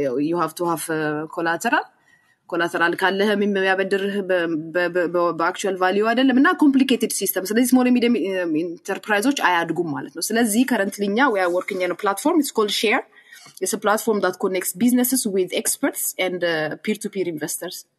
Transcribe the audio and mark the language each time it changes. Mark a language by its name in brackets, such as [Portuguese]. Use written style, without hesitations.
[English] You have to have collateral. [Amharic] collateral ካለህም የሚያበድርህ በአክቹዋል ቫልዩ አይደለም እና [English] complicated system. [Amharic] ስለዚህ [English] small and medium enterprises [Amharic] አያድጉም ማለት ነው። ስለዚህ [English] currently [Amharic] እኛ [English] we are working in a platform, it's called Share. It's a platform that connects businesses with experts and peer-to-peer investors.